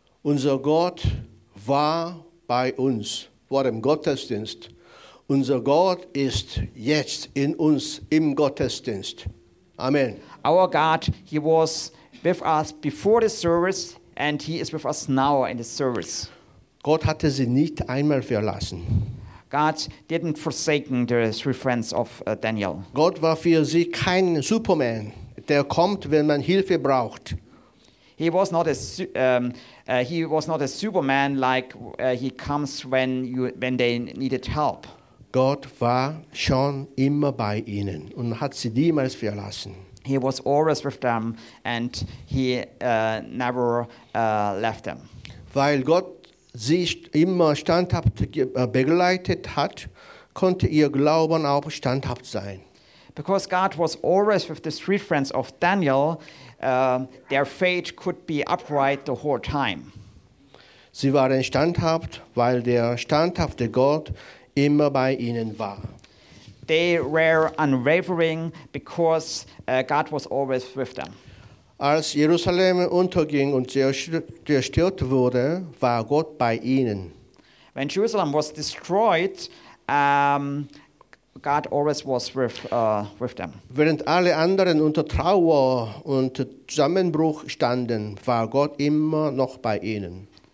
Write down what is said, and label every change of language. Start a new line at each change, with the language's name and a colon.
German: Unser Gott war bei uns vor dem Gottesdienst. Unser Gott ist jetzt in uns im Gottesdienst. Amen.
English: Our God, he was with us before the service and he is with us now in the service.
German: Gott hatte sie nicht einmal verlassen.
English: God didn't forsake the three friends of Daniel.
German: Gott war für sie kein Superman, der kommt, wenn man Hilfe braucht.
English: He was not a Superman like he comes when they needed help.
German: Gott war schon immer bei ihnen und hat sie niemals verlassen.
English: He was always with them and he never left them.
German: Weil Gott sie immer standhaft begleitet hat, konnte ihr Glauben auch standhaft sein.
English: Because God was always with the three friends of Daniel, their faith could be upright the whole time.
German: Sie waren standhaft, weil der standhafte Gott immer bei ihnen war.
English: They were unwavering because God was always with them.
German: Als Jerusalem unterging und zerstört wurde, war Gott bei ihnen.
English: When Jerusalem was destroyed, God always was with them.
German: Während alle anderen unter Trauer und Zusammenbruch standen, war Gott immer noch bei ihnen.